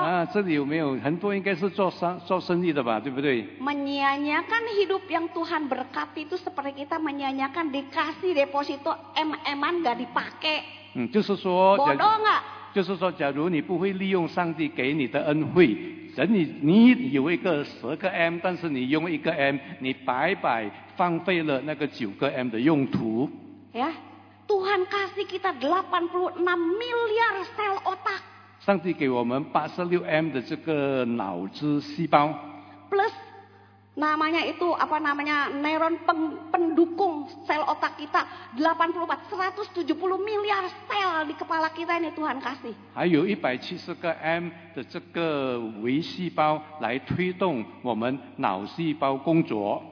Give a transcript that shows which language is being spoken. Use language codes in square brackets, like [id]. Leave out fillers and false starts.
[zh] Ah, 这里有没有, 很多应该是做生意的吧,对不对? [id] menyia-nyiakan hidup yang Tuhan berkati itu seperti kita menyia-nyiakan dikasih deposito M-M-an gak dipakai. [zh] 就是说, [id] bodoh gak? [zh] 就是说假如你不会利用上帝给你的恩惠, 你有一个10个M, 但是你用1个M, 你白白荒废了那个9个M的用途。 [id] Ya? Tuhan kasih kita 86 miliar sel otak. [zh] 上帝给我们 86M的这个脑子细胞. [id] Plus namanya itu apa namanya neuron pendukung sel otak kita 84 170 miliar sel di kepala kita ini Tuhan kasih. [zh] 还有170个M的这个微细胞来推动我们脑细胞工作.